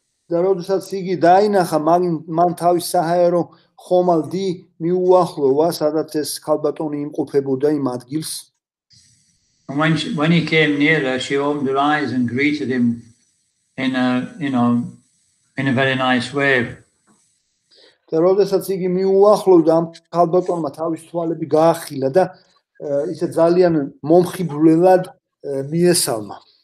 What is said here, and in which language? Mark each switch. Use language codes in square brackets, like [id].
[ka] და როდესაც იგი დაინახა მან თავის საჰაერო ხომალდი მიუახლოვა, სადაც ეს ქალბატონი იმყოფებოდა იმ ადგილს. [en] And when he came near her, she opened her eyes and greeted him in a, you know, in a very nice way. [ka] და როდესაც იგი მიუახლოვდა ამ ქალბატონმა თავის თვალები გაახილა და ისე ძალიან მომხიბვლელად მიესალმა.